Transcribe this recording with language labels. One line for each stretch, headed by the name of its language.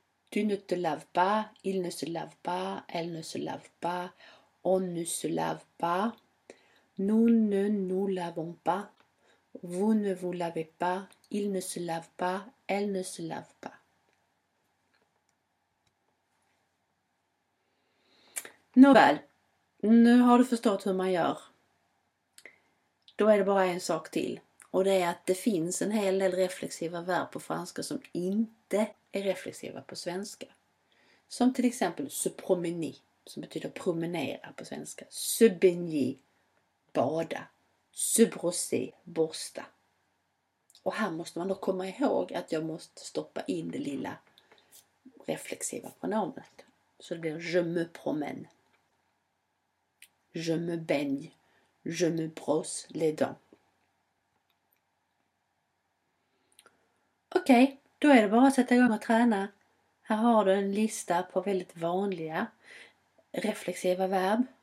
French: Tu ne te lave pas, il ne se lave pas, elle ne se lave pas, on ne se lave pas, nous ne nous lavons pas, vous ne vous lavez pas, il ne se lave pas, elle ne se lave pas.
Swedish: Nåväl, nu har du förstått hur man gör. Då är det bara en sak till. Och det är att det finns en hel del reflexiva verb på franska som inte är reflexiva på svenska. Som till exempel se promener, som betyder promenera på svenska.
French: Se baigner, bada. Se brosser, borsta.
Swedish: Och här måste man då komma ihåg att jag måste stoppa in det lilla reflexiva pronomenet. Så det blir
French: je me promène. Je me baigne, je me brosse les dents.
Swedish: Okej, då är det bara att sätta igång och träna. Här har du en lista på väldigt vanliga reflexiva verb.